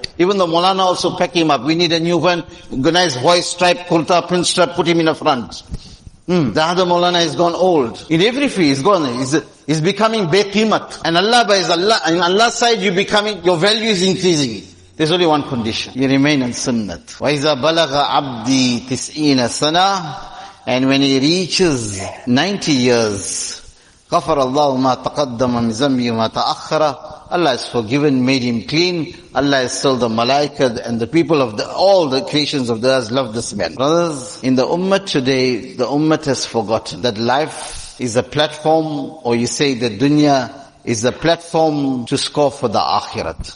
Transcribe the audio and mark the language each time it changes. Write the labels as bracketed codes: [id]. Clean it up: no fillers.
[en] Even the Molana also pack him up. We need a new one. Nice white stripe, kurta, print stripe, put him in the front. The other Molana has gone old. In every fee, he's gone. He's becoming bekimat. And Allah, by his Allah, in Allah's side, you're becoming, your value is increasing. There's only one condition. You remain in sunnat. [ar] وَإِذَا بَلَغَ عَبْدِي تِسْئِينَ سَنَةً. [en] And when he reaches 90 years, [ar] غَفَرَ اللَّهُ مَا تَقَدَّمَ مِنْ ذَنْبِهِ وَمَا تَأَخَّرَ. [en] Allah has forgiven, made him clean. Allah has told the malaika and the people of all the creations of the earth love this man. Brothers, in the ummah today, the ummah has forgotten that life is a platform, or you say the dunya is a platform to score for the akhirat.